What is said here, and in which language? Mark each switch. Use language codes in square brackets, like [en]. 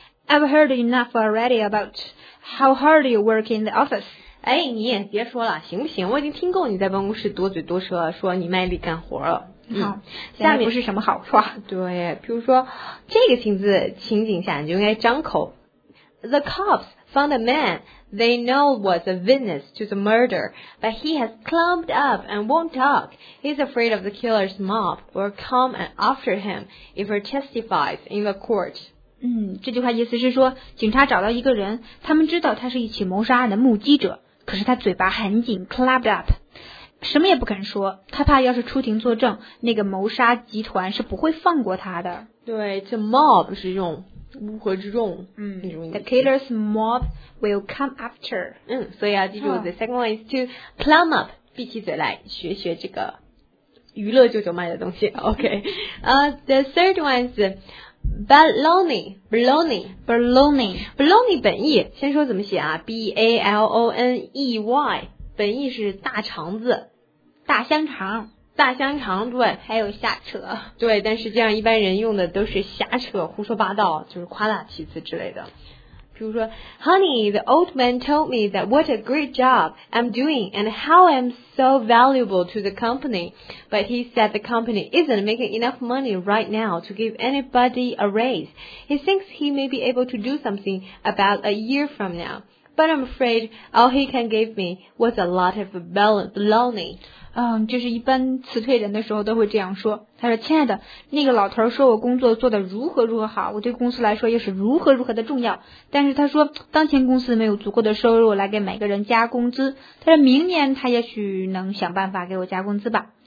[en] I've heard enough already about how hard you work in the office. [zh] 哎，你也别说了，行不行？我已经听够你在办公室多嘴多舌，说你卖力干活了。好，下面不是什么好话。对，比如说这个情景下，你就应该张口。 [en] The cops found a man they know was a witness to the murder, but he has clumped up and won't talk. He's afraid of the killer's mob will come and after him if he testifies in the court. [zh] 这句话意思是说，警察找到一个人，他们知道他是一起谋杀案的目击者，可是他嘴巴很紧 ，clumped up。什么也不肯说，他怕要是出庭作证，那个谋杀集团是不会放过他的。对，这 mob 是用乌合之众，那种意思。 [en] The killer's mob will come after。 [zh] 所以要记住 ， [en] the second one is to clam up， [zh] 闭起嘴来，学学这个娱乐舅舅卖的东西。 [en] OK， the third one is baloney。 [zh] 本意，先说怎么写啊 ？BALONEY。本意是大肠子，大香肠，对，还有瞎扯，对，但实际上一般人用的都是瞎扯、胡说八道，就是夸大其词之类的。比如说 [en] ，Honey, the old man told me that what a great job I'm doing and how I'm so valuable to the company, but he said the company isn't making enough money right now to give anybody a raise. He thinks he may be able to do something about a year from now. But I'm afraid all he can give me was a lot of baloney. [zh] 就是一般辞退人的时候都会这样说。他说，亲爱的，那个老头说我工作做得如何如何好，我对公司来说又是如何如何的重要。但是他说，当前公司没有足够的收入来给每个人加工资。他说明年他也许能想办法给我加工资吧。